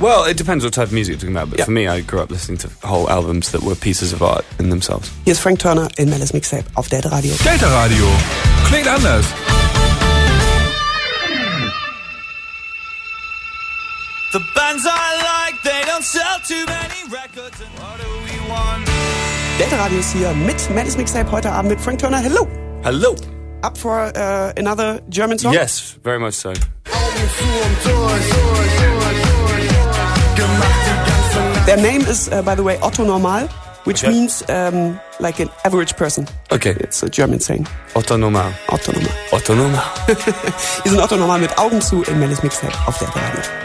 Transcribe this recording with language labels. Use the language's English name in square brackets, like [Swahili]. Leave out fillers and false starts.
[English] Well, it depends what type of music you're talking about. But for me, I grew up listening to whole albums that were pieces of art in themselves. Here's Frank Turner in Melle's Mixtape [German] auf [English] Delta Radio. [German] Delta Radio. Klingt anders. [English] The bands I like, they don't sell too many records. And what do we want? [German] Delta Radio ist hier mit Melle's Mixtape heute Abend mit Frank Turner. [English] Hello! Hello! Up for another German song? Yes, very much so. Their name is, by the way, Otto Normal, which means like an average person. Okay. It's a German saying. Otto Normal. Otto Normal. Otto Normal. [German] Ist ein Otto Normal mit Augen zu in Melle's Mixtape auf der Radio.